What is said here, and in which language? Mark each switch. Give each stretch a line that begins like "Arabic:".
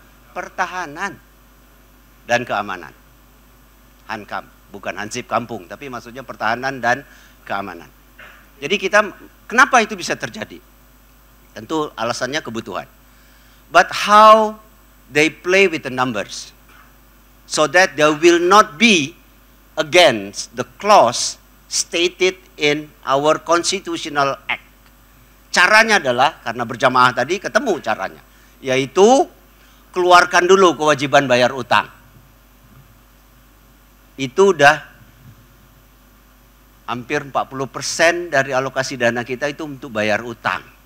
Indonesian: Pertahanan dan keamanan. Hankam, bukan Hansip kampung, tapi maksudnya pertahanan dan keamanan. Jadi kita, kenapa itu bisa terjadi? Tentu alasannya kebutuhan.
English: But how they play with the numbers so that there will not be against the clause stated in our constitutional act.
Indonesian: Caranya adalah, karena berjamaah tadi ketemu caranya, yaitu keluarkan dulu kewajiban bayar utang. Itu udah hampir 40% dari alokasi dana kita itu untuk bayar utang.